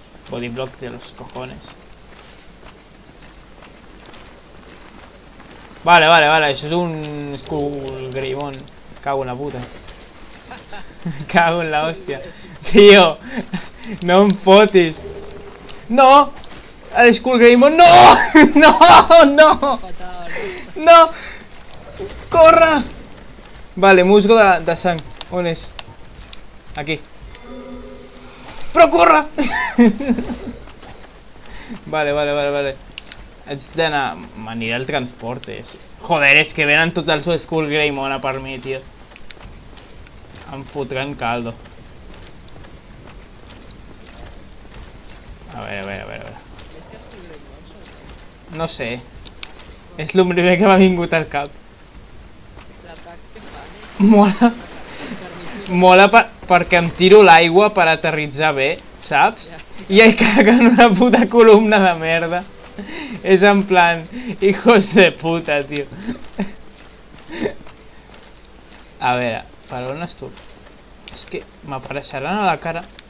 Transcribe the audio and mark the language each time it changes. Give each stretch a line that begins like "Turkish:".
Spanish: Bodyblock de los cojones.
Catalan: Vale, vale, vale, això és un Skull Grimon. Cago en la puta. Cago en la hòstia. Tio, no em fotis. No, el Skull Grimon, no, no, no, no, corre. Vale, musgo de sang, on és? Aquí. Però corre! Vale, vale, vale, vale. Haig d'anar... M'anirà el transport, eh? Joder, és que venen tots els Skull Greymon a per mi, tio. Em fotran caldo. A veure, a veure, a veure. És que Skull Greymon són... No sé. És el primer que m'ha vingut al cap. L'atac que fa... Mola. Mola perquè em tiro l'aigua per aterritzar bé. Saps? I ahí caguen una puta columna de merda. És en plan,
Spanish: hijos de puta,
Catalan: tio.
Spanish: A ver, para una estupidez. Es que me aparecerán a la cara.